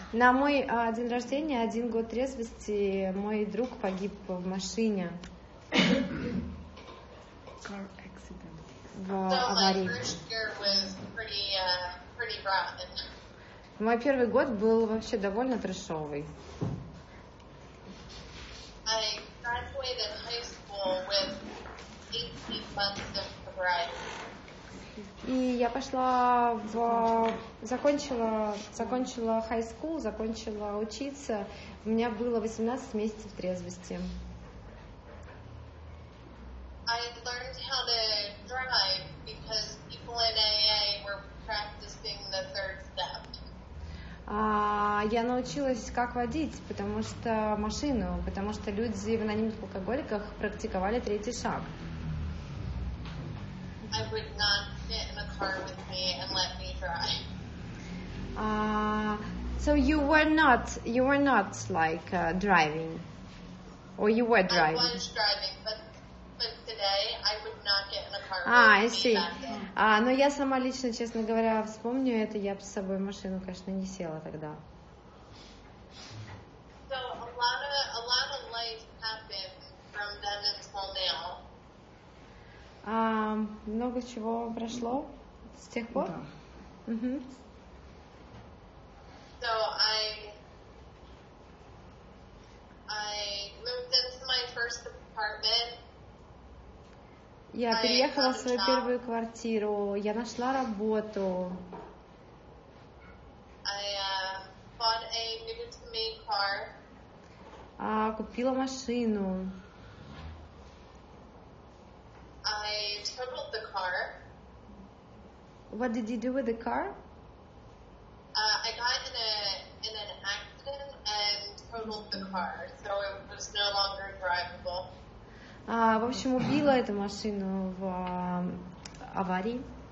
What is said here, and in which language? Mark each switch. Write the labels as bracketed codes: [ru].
[ru] На мой день рождения, один год трезвости, мой друг погиб в машине. [en] Car accident. [ru] В аварии. [en] So my first year was pretty rough. [ru] Мой первый год был вообще довольно трешовый. [en] I graduated high school with 18 months of sobriety. [ru] И я пошла в закончила high school, закончила учиться. У меня было 18 месяцев трезвости. [en] I learned how to drive because people in AA were practicing the third step. [ru] Я научилась как водить, потому что люди в анонимных алкоголиках практиковали третий шаг. [en] I would not with me and let me drive. So you were not like driving, or you were driving? I was driving, but today I would not get in a car with me. I see. [ru] Но я сама лично, честно говоря, вспомню это, я бы с собой машину, конечно, не села тогда. [en] So a lot of life happened from then until now. [ru] Много чего прошло с тех пор. Да. [en] So I moved into my first apartment. [ru] Я переехала в свою первую квартиру. Я нашла работу. [en] I bought a new to me car. [ru] Купила машину. [en] I totaled the car. What did you do with the car? I got in an accident and totaled the car, so it was no longer drivable. [ru] В общем, убила эту машину в аварии.